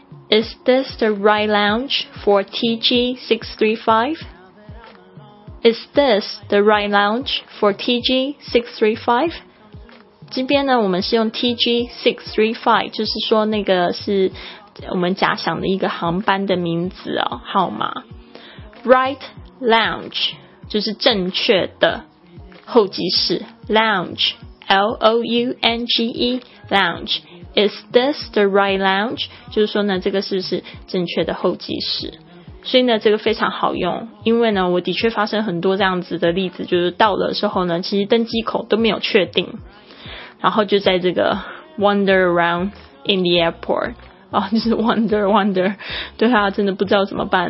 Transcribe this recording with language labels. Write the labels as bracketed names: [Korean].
[English] Is this the right lounge for TG-635? Is this the right lounge for TG-635? [Chinese] 这边呢，我们是用 TG-635， 就是说那个是我们假想的一个航班的名字哦，号码。 Right lounge 就是正确的候机室 ，lounge L-O-U-N-G-E lounge。 [English] Is this the right lounge? [Chinese] 就是说呢，这个是不是正确的候机室？所以呢，这个非常好用，因为呢，我的确发生很多这样子的例子，就是到了时候呢，其实登机口都没有确定，然后就在这个 [English] wander around in the airport， [Chinese] 哦，就是 wander， 对啊，真的不知道怎么办。